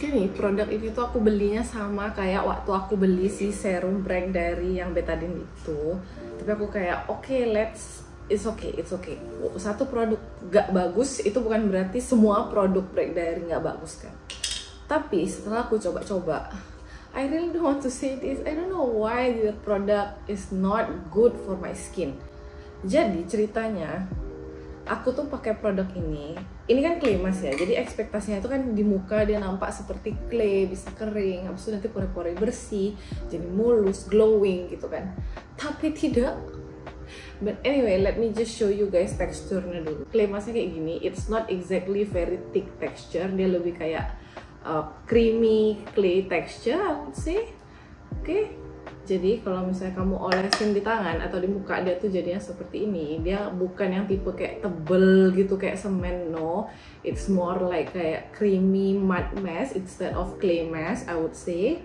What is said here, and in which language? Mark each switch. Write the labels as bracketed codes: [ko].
[id] Produk ini tuh aku belinya sama kayak waktu aku beli si serum brand dari yang Betadine itu. Tapi aku kayak [en] it's okay. [id] Satu produk gak bagus itu bukan berarti semua produk brand dari gak bagus kan. Tapi setelah aku coba-coba, [en] I really don't want to say this. I don't know why the product is not good for my skin. [id] Jadi ceritanya, aku tuh pakai produk ini kan clay mask ya, jadi ekspektasinya itu kan di muka dia nampak seperti clay, bisa kering, habis itu nanti pore-pore bersih, jadi mulus, glowing gitu kan, tapi tidak. But anyway, let me just show you guys teksturnya dulu. Clay masknya kayak gini, it's not exactly very thick texture, dia lebih kayak creamy clay texture, I would say. Okay. Jadi kalau misalnya kamu olesin di tangan atau di muka, dia tuh jadinya seperti ini. Dia bukan yang tipe kayak tebel gitu kayak semen, no. [en] It's more like [id] kayak [en] creamy mud mask instead of clay mask, I would say.